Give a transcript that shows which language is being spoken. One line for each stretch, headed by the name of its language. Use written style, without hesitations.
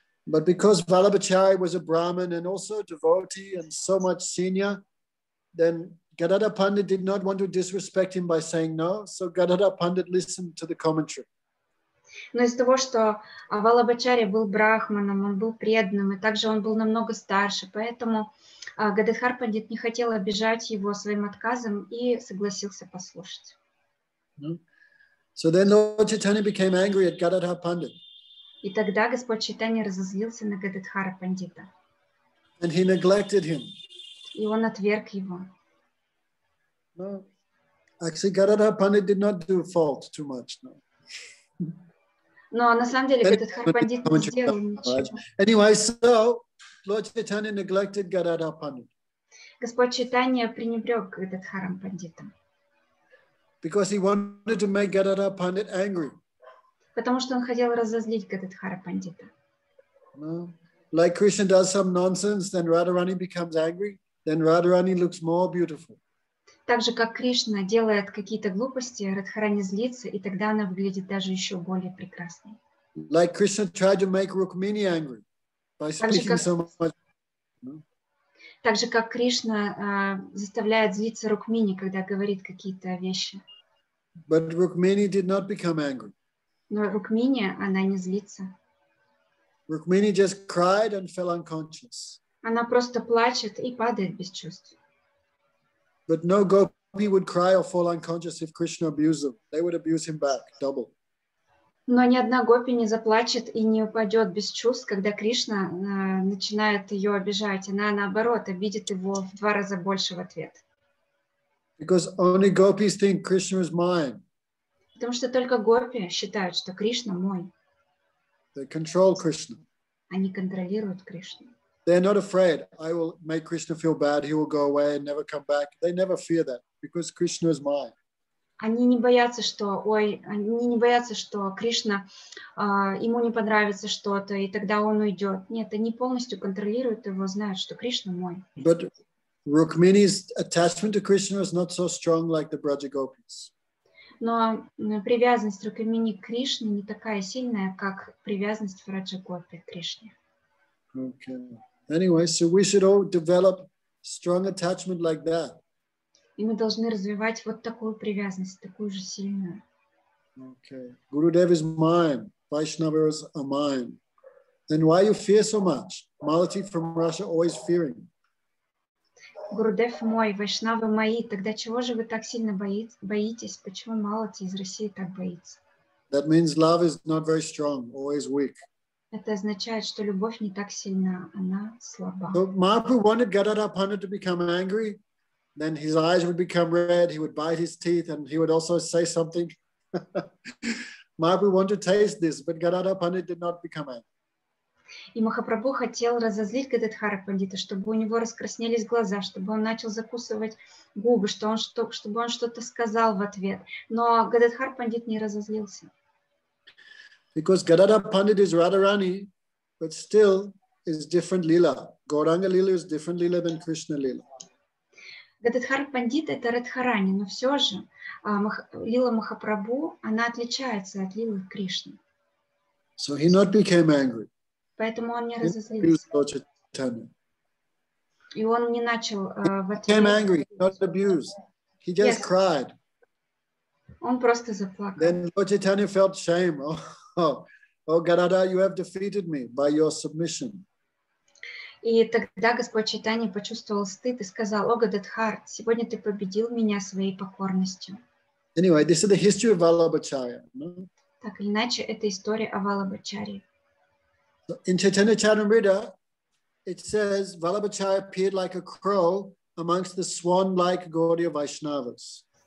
English: But because Valabhachari was a Brahmin and also a devotee and so much senior, then Gadadhar Pandit did not want to disrespect him by saying no, so Gadadhar Pandit listened to the commentary.
Russian: Но из того, что Валлабхачарья был брахманом, он был преданным, и также он был намного старше, поэтому Гададхар Пандит не хотел обижать его своим отказом и согласился послушать.
English: So then Lord Chaitanya became angry at Gadadhar Pandit.
Russian: И тогда Господь Чайтанья разозлился на Гададхара Пандита.
English: And he neglected him.
Russian: И он отверг его.
English: No. Actually, Gadadhar Pandit did not do fault too much. No.
Russian: Но на самом деле Гададхар Пандит не сделал ничего.
English: Anyway, so Lord Chaitanya neglected Gadadhar Pandit.
Russian: Господь Чайтанья пренебрег Гададхаром Пандитом.
English: Because he wanted to make Gadadhar Pandit angry.
Russian: Потому что он хотел разозлить Гададхара Пандита.
English: No. Like Krishna does some nonsense, then Radharani becomes angry, then Radharani looks more beautiful.
Russian: Так же, как Кришна делает какие-то глупости, Радхарани злится, и тогда она выглядит даже еще более прекрасной.
English: Like Krishna tried to make Rukmini angry by speaking so much.
Russian: Так же, как Кришна заставляет злиться Рукмини, когда говорит какие-то вещи.
English: But Rukmini did not become angry.
Russian: Но Рукмини, она не злится.
English: Rukmini just cried and fell unconscious.
Russian: Она просто плачет и падает без чувств.
English: But no gopi would cry or fall unconscious if Krishna abused them. They would abuse him back, double.
Russian: Но ни одна гопи не заплачет и не упадет без чувств, когда Кришна начинает ее обижать. Она, наоборот, обидит его в два раза больше в ответ.
English: Because only gopis think Krishna is mine.
Russian: Потому что только гопи считают, что Кришна мой.
English: They control Krishna.
Russian: Они контролируют Кришну.
English: They're not afraid. I will make Krishna feel bad. He will go away and never come back. They never fear that because Krishna is mine.
Russian: Они не боятся, что, ой, они не боятся, что Кришна, ему не понравится что-то, и тогда он уйдет. Нет, они полностью контролируют его, знают, что Кришна мой.
English: But Rukmini's attachment to Krishna is not so strong like the Braja Gopis.
Russian: Но привязанность Рукмини к Кришне не такая сильная, как привязанность Браджа Гопи к Кришне.
English: Okay. Anyway, so we should all develop strong attachment like that.
Russian: И мы должны развивать вот такую привязанность, такую же сильную.
English: Okay. Gurudev is mine. Vaishnavas are mine. Then why you fear so much? Malati from Russia always fearing.
Russian: Gurudev мой, Vaishnava мои. Тогда чего же вы так сильно боитесь? Почему Malati из России так боится?
English: That means love is not very strong, always weak.
Russian: Это означает, что любовь не так сильна, она слаба.
English: So Mahaprabhu wanted Gadadhar Pandit to become angry, then his eyes would become red, he would bite his teeth, and he would also say something. Mahaprabhu wanted to taste this, but Gadadhar Pandit did not become angry.
Russian: И Махапрабху хотел разозлить Гададхара Пандита, чтобы у него раскраснелись глаза, чтобы он начал закусывать губы, чтобы он что-то сказал в ответ. Но Гададхар Пандит не разозлился.
English: Because Gadadhar Pandit is Radharani, but still is different lila. Gauranga lila is different lila than Krishna lila.
Russian: Gadadhar Pandit это Радхарани, но все же лила Махапрабху она отличается от лилы Кришны.
English: So he not became angry.
Russian: Поэтому он не разозлился. И он не начал.
English: Became angry, not abused. He just yes. cried.
Russian: Он просто заплакал.
English: Then Lord Chaitanya felt shame. Oh, Gadadhar, you have defeated me by your submission.
Russian: И тогда Господь Чайтанья почувствовал стыд и сказал: "О, Гададхар, сегодня ты победил меня своей покорностью."
English: Anyway, this is the history of Vallabhacharya. No?
Russian: Так или иначе, это история о Валлабхачарье.
English: In Chaitanya Charitamrita, it says Vallabhacharya appeared like a crow amongst the swan-like Gaudiya Vaishnavas.